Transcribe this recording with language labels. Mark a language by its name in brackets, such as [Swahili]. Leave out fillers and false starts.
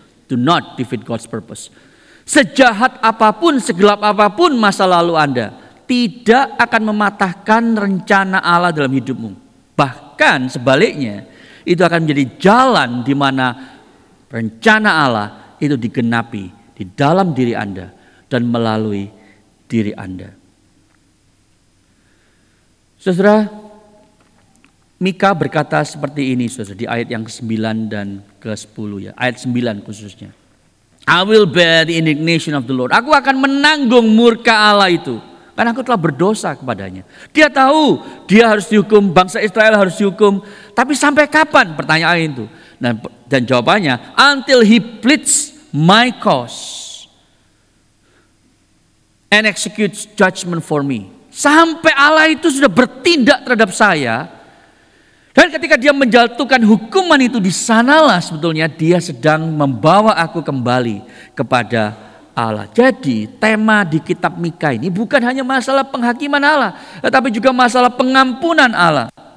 [English] do not defeat God's purpose. [Indonesian] Sejahat apapun, segelap apapun masa lalu Anda, tidak akan mematahkan rencana Allah dalam hidupmu. Bahkan sebaliknya, itu akan menjadi jalan di mana rencana Allah itu digenapi di dalam diri Anda dan melalui diri Anda. Saudara, Mika berkata seperti ini, saudara, di ayat yang ke-9 dan ke-10, ya, ayat 9 khususnya. [English] I will bear the indignation of the Lord. [Indonesian] Aku akan menanggung murka Allah itu, karena aku telah berdosa kepadanya. Dia tahu dia harus dihukum, bangsa Israel harus dihukum. Tapi sampai kapan? Pertanyaan itu. Dan jawabannya, [English] until he pleads my cause and executes judgment for me. [Indonesian] Sampai Allah itu sudah bertindak terhadap saya. Dan ketika dia menjatuhkan hukuman itu, disanalah sebetulnya dia sedang membawa aku kembali kepada Allah. Jadi tema di kitab Mika ini bukan hanya masalah penghakiman Allah, tetapi juga masalah pengampunan Allah.